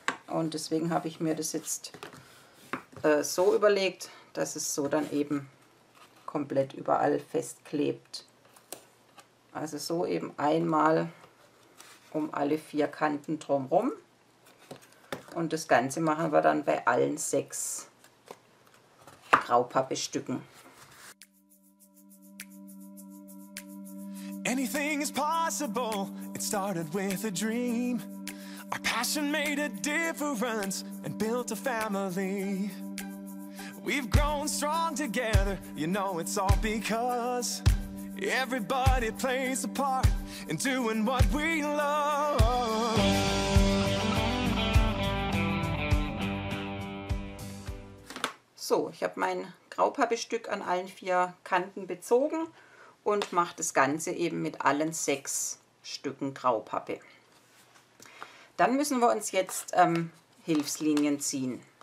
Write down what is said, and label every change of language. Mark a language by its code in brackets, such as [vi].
[de] Und deswegen habe ich mir das jetzt so überlegt, dass es so dann eben komplett überall festklebt. Also so eben einmal um alle 4 Kanten drumherum. Und das Ganze machen wir dann bei allen 6 Graupappestücken. [en] Anything is possible, it started with a dream. Our passion made a difference and built a family. We've grown strong together, you know it's all because everybody plays a part in doing what we love. [de] So, ich habe mein Graupappestück an allen 4 Kanten bezogen. Und mache das Ganze eben mit allen 6 Stücken Graupappe. Dann müssen wir uns jetzt Hilfslinien ziehen.